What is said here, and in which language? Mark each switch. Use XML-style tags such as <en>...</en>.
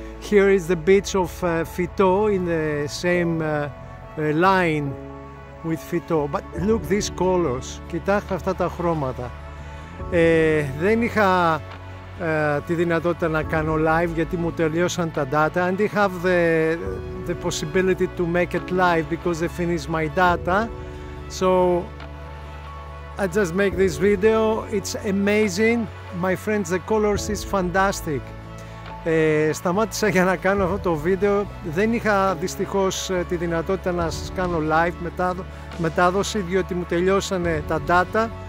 <en>Here is the beach of Φυτό, in the same line with Φυτό. But look these colors,</en> <el>κοιτάξτε αυτά τα χρώματα. Δεν είχα τη δυνατότητα να κάνω live γιατί μου τελειώσαν τα data.</el> <en>I didn't have the possibility to make it live because they finished my data. So I just make this video. It's amazing. My friends, the colors is fantastic.</en> <el>Σταμάτησα για να κάνω αυτό το βίντεο. Δεν είχα δυστυχώς τη δυνατότητα να σας κάνω live μετάδοση διότι μου τελειώσανε τα data.</el>